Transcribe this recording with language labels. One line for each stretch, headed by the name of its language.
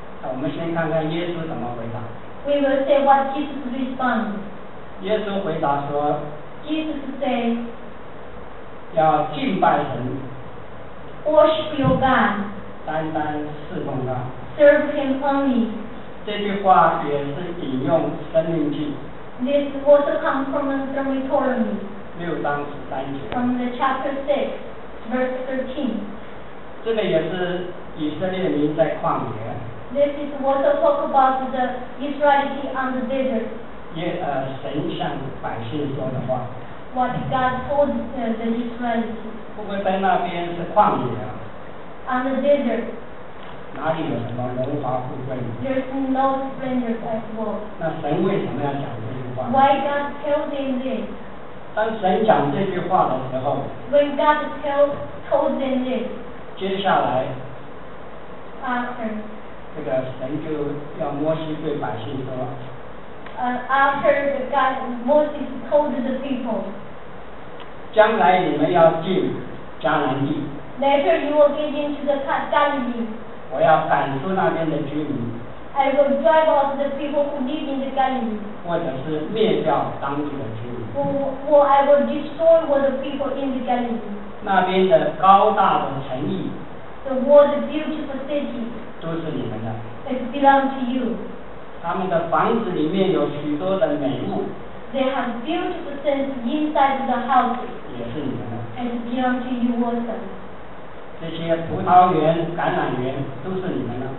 Chinese: 我们先看看耶稣怎么回答。
English: We will say what Jesus responds.
Chinese: 耶稣回答说。
English: Jesus say.
Chinese: 要敬拜神。
English: Worship your God.
Chinese: 单单侍奉他。
English: Serve him only.
Chinese: 这句话也是引用《申命记》。
English: This also comes from Deuteronomy.
Chinese: 六章十三节。
English: From the chapter 6, verse 13.
Chinese: 这个也是以色列民在旷野。
English: This is also talk about the Israelites on the desert.
Chinese: 神向百姓说的话。
English: What God told the Israelites.
Chinese: 不过在那边是旷野啊。
English: On the desert.
Chinese: 哪里有什么荣华富贵？
English: There's no splendor at all.
Chinese: 那神为什么要讲这句话？
English: Why God told them this?
Chinese: 当神讲这句话的时候。
English: When God told them this.
Chinese: 接下来。
English: After.
Chinese: 这个神就要摩西对百姓说。
English: After the God Moses told the people,
Chinese: 将来你们要进迦南地。
English: Later you will get into the Galilee.
Chinese: 我要赶出那边的居民。
English: I will drive out the people who live in the Galilee.
Chinese: 或者是灭掉当地的居民。
English: I will destroy all the people in the Galilee.
Chinese: 那边的高大的城邑。
English: The world beautiful city.
Chinese: 都是你们的。
English: It belongs to you.
Chinese: 他们的房子里面有许多的美物。
English: They have beautiful things inside the houses.
Chinese: 也是你们的。
English: And belong to you also.
Chinese: 这些葡萄园、橄榄园都是你们的。